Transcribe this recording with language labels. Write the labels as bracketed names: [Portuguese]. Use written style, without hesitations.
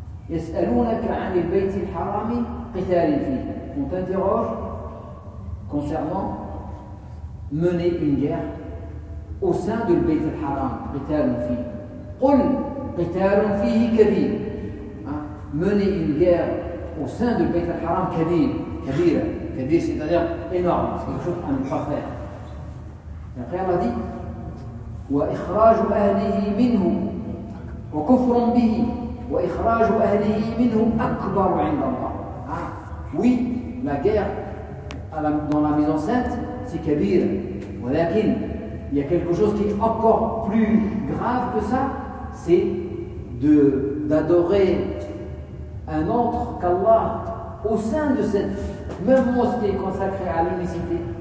[Arabic] يسألونك عن البيت الحرام قتال فيه. [French] On t'interroge concernant mener une guerre au sein du Beit al-Haram, [Arabic] قتال فيه. قل قتال فيه كبير. [French] Mener une guerre au sein du Beit al-Haram كبير. كبير, كبير c'est-à-dire énorme, c'est quelque chose qu'on ne peut pas faire. Et après Allah dit [Arabic] وإخراج أهله منه وكفر به وإخراج أهله منهم أكبر عند الله. [French] Oui, la guerre dans la maison sainte, c'est kabir. Mais il y a quelque chose qui est encore plus grave que ça, c'est d'adorer un autre qu'Allah au sein de cette même mosquée consacrée à l'unicité.